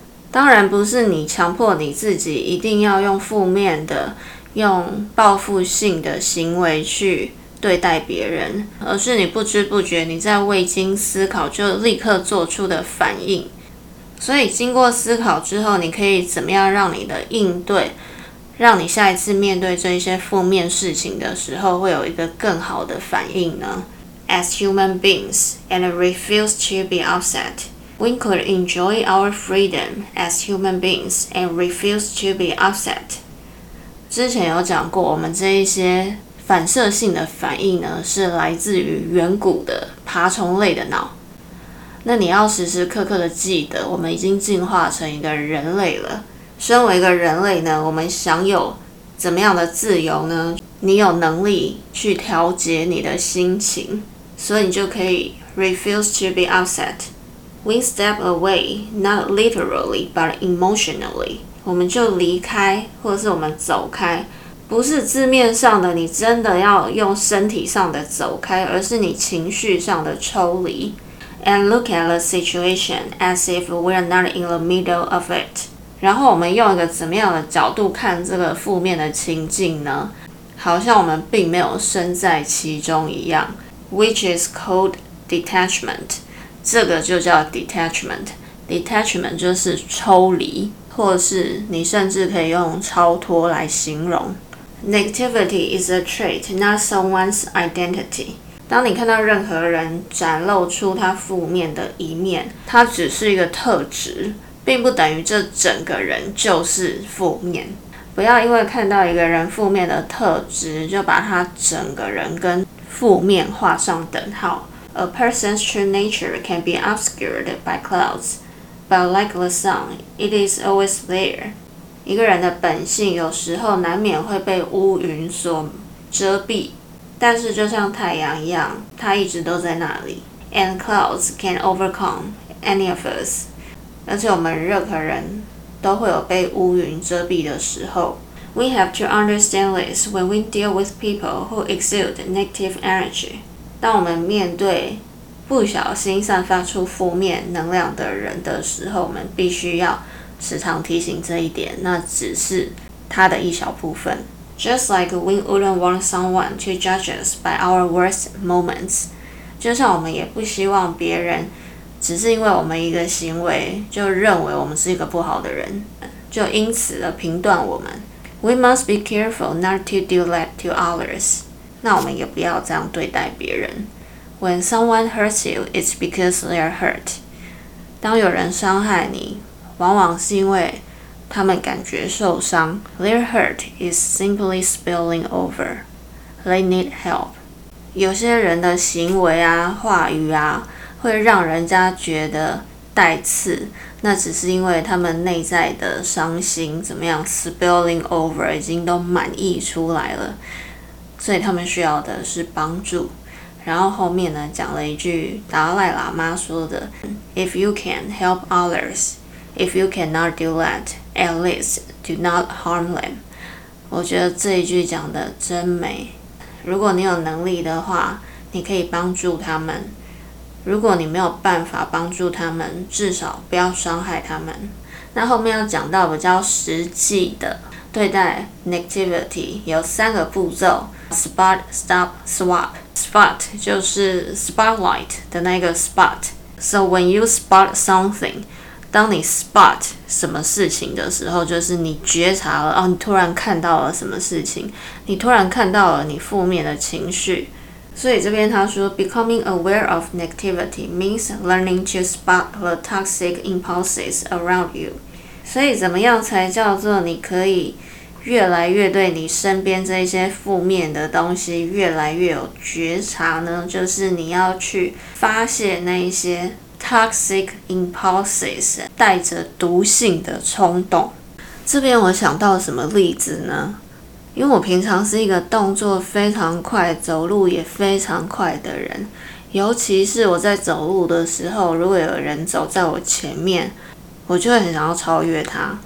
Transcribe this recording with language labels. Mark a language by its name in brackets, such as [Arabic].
[Chinese] 当然不是你强迫你自己一定要用负面的、用报复性的行为去对待别人，而是你不知不觉你在未经思考就立刻做出的反应。所以经过思考之后，你可以怎么样让你的应对，让你下一次面对这些负面事情的时候会有一个更好的反应呢？ [English] As human beings and refuse to be upset, we could enjoy our freedom as human beings and refuse to be upset. [Chinese] 之前有讲过，我们这一些反射性的反应呢，是来自于远古的爬虫类的脑。那你要时时刻刻的记得，我们已经进化成一个人类了。身为一个人类呢，我们享有怎么样的自由呢？你有能力去调节你的心情，所以你就可以 [English] refuse to be upset. We step away, not literally, but emotionally. [Chinese] 我们就离开，或者是我们走开，不是字面上的你真的要用身体上的走开，而是你情绪上的抽离。 [English] And look at the situation as if we're not in the middle of it. [Chinese] 然后我们用一个怎么样的角度看这个负面的情境呢？好像我们并没有身在其中一样。 [English] Which is called detachment. [Chinese] 这个就叫 detachment. Detachment 就是抽离，或是你甚至可以用超脱来形容。 [English] Negativity is a trait, not someone's identity. [Chinese] 当你看到任何人展露出他负面的一面，他只是一个特质，并不等于这整个人就是负面。不要因为看到一个人负面的特质，就把他整个人跟负面画上等号。 [English] A person's true nature can be obscured by clouds, but like the sun, it is always there. [Chinese] 一个人的本性有时候难免会被乌云所遮蔽，但是就像太阳一样，它一直都在那里。 [English] And clouds can overcome any of us. [Chinese] 而且我们任何人都会有被乌云遮蔽的时候。 [English] We have to understand this when we deal with people who exude negative energy. [Chinese] 当我们面对不小心散发出负面能量的人的时候，我们必须要时常提醒这一点，那只是他的一小部分。 [English] Just like we wouldn't want someone to judge us by our worst moments. [Chinese] 就像我们也不希望别人只是因为我们一个行为就认为我们是一个不好的人，就因此而评断我们。 [English] We must be careful not to do that to others. [Chinese] 那我们也不要这样对待别人。 [English] When someone hurts you, it's because they are hurt. [Chinese] 当有人伤害你，往往是因为他们感觉受伤。 [English] Their hurt is simply spilling over. They need help. [Chinese] 有些人的行为啊，话语啊，会让人家觉得带刺，那只是因为他们内在的伤心怎么样 [English] spilling over [Chinese] 已经都满溢出来了，所以他们需要的是帮助。然后后面呢讲了一句达赖喇嘛说的 [English] If you can help others, if you cannot do that, at least do not harm them. [Chinese] 我觉得这一句讲的真美。如果你有能力的话，你可以帮助他们，如果你没有办法帮助他们，至少不要伤害他们。那后面要讲到比较实际的对待 negativity 有三个步骤。 [English] Spot, Stop, Swap. [Chinese] Spot 就是 spotlight 的那个 spot. [English] So when you spot something, [Chinese] 当你 spot 什么事情的时候，就是你觉察了，哦，你突然看到了什么事情，你突然看到了你负面的情绪。所以这边他说 [English] Becoming aware of negativity means learning to spot the toxic impulses around you. [Chinese] 所以怎么样才叫做你可以越来越对你身边这些负面的东西越来越有觉察呢？就是你要去发泄那一些 [English] toxic impulses， [Chinese] 带着毒性的冲动。这边我想到什么例子呢？因为我平常是一个动作非常快，走路也非常快的人，尤其是我在走路的时候，如果有人走在我前面，我就会很想要超越他。